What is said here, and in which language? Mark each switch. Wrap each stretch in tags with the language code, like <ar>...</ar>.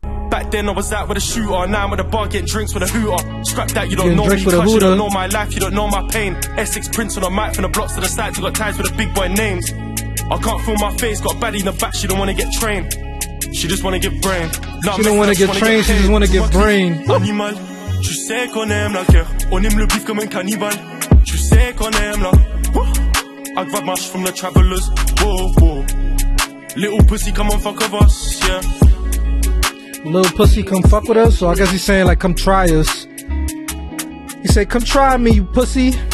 <en>Back then I was out with a shooter. Now I'm at the bar getting drinks with a hooter. Scrap that, you don't know me, cause you don't know my life, you don't know my pain. Essex Prince on a mic from the blocks to the sides. You got ties with the big boy names. I can't feel my face, got baddie in the back, she don't wanna get trained. She just wanna get brain. Nah, she don't wanna get trained, she just wanna get brain.</en> <fr>Animal, tu sais qu'on aime la guerre. On aime le beef comme un cannibal. Tu sais qu'on aime la.</fr> <en>I grab my shit from the travelers. Whoa, whoa. Little pussy, come on, fuck with us, yeah. Little pussy, come fuck with us? So I guess he's saying, like, come try us. He said, come try me, you pussy.</en>